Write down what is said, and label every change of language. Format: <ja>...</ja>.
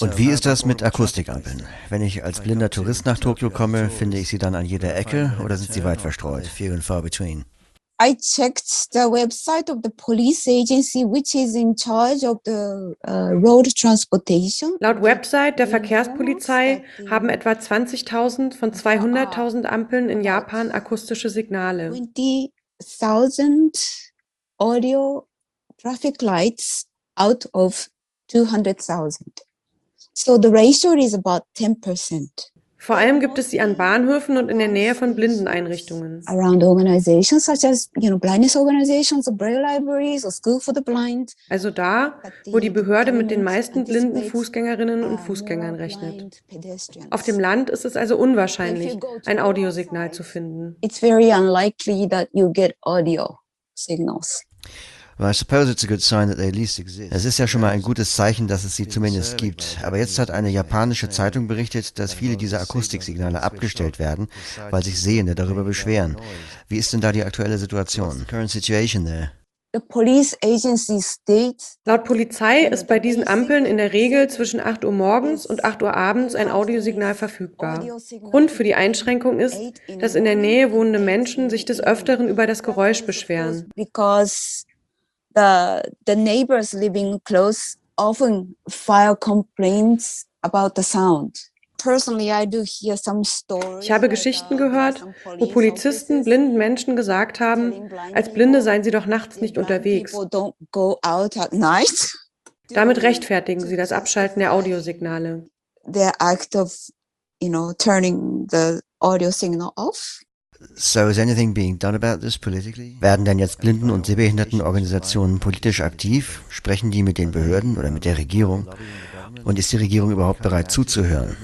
<de>Und wie ist das mit Akustikampeln? Wenn ich als blinder Tourist nach Tokio komme, finde ich sie dann an jeder Ecke oder sind sie weit verstreut?</de> <en>Few and far between. I checked the website of the police agency, which is in charge of the road transportation.</en> <de>Laut Website der Verkehrspolizei haben etwa 20.000 von 200.000 Ampeln in Japan akustische Signale.</de> <en>20.000 audio traffic lights out of 200,000. So the ratio is about 10%.</en> <de>Vor allem gibt es sie an Bahnhöfen und in der Nähe von Blindeneinrichtungen.</de> <en>Around organizations such as, you know, blindness organizations, or braille libraries, or school for the blind.</en> <de>Also da, wo die Behörde mit den meisten blinden Fußgängerinnen und Fußgängern rechnet. Auf dem Land ist es also unwahrscheinlich, ein Audiosignal zu finden.</de> <en>It's very unlikely that you get audio signals. Well, I suppose it's a good sign that they at least exist.</en> <de>Es ist ja schon mal ein gutes Zeichen, dass es sie zumindest gibt. Aber jetzt hat eine japanische Zeitung berichtet, dass viele dieser Akustiksignale abgestellt werden, weil sich Sehende darüber beschweren. Wie ist denn da die aktuelle Situation?</de> <en>Current situation there. The police agency states.</en> <de>Laut Polizei ist bei diesen Ampeln in der Regel zwischen 8 Uhr morgens und 8 Uhr abends ein Audiosignal verfügbar. Grund für die Einschränkung ist, dass in der Nähe wohnende Menschen sich des Öfteren über das Geräusch beschweren.</de> <en>Because the neighbors living close often file complaints about the sound. Personally, I do hear some stories.</en> <de>Ich habe Geschichten gehört, wo Polizisten blinden Menschen gesagt haben, als Blinde seien sie doch nachts nicht unterwegs.</de> <en>Don't go out at night.</en> <de>Damit rechtfertigen sie das Abschalten der Audiosignale.</de> <en>The act of, you know, turning the audio signal off. So is anything being done about this politically?</en> <de>Werden denn jetzt Blinden- und Sehbehindertenorganisationen politisch aktiv? Sprechen die mit den Behörden oder mit der Regierung? Und ist die Regierung überhaupt bereit zuzuhören?</de>